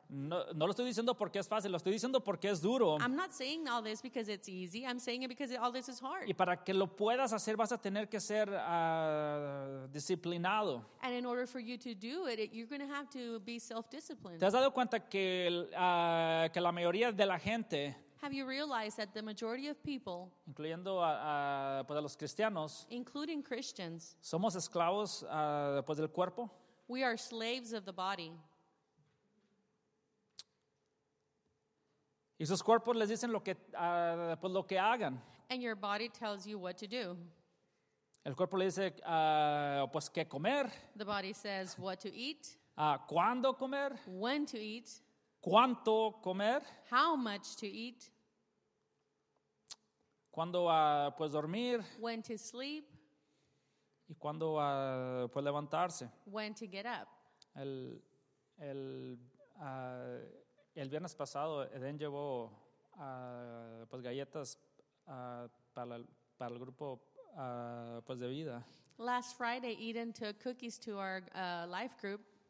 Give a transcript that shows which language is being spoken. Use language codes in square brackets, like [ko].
[es] No lo estoy diciendo porque es fácil, lo estoy diciendo porque es duro. [en] I'm not saying all this because it's easy. I'm saying it because all this is hard. [es] Y para que lo puedas hacer vas a tener que ser disciplinado. [en] And in order for you to do it, you're going to have to be self-disciplined. [es] ¿Te has dado cuenta que la mayoría de la gente? [en] Have you realized that the majority of people, [es] incluyendo pues a los cristianos, [en] including Christians, [es] somos esclavos pues del cuerpo? [en] We are slaves of the body. [es] Y sus cuerpos les dicen lo que hagan. [en] And your body tells you what to do. [es] El cuerpo le dice pues qué comer. [en] The body says what to eat. [es] ¿Cuándo comer? [en] When to eat. [es] ¿Cuánto comer? [en] How much to eat. [es] ¿Cuándo pues dormir? [en] When to sleep. [es] ¿Y cuándo pues levantarse? [en] When to get up. [es] El viernes pasado, Eden llevó pues galletas para el grupo pues de vida. [en] Last Friday, Eden took cookies to our life group.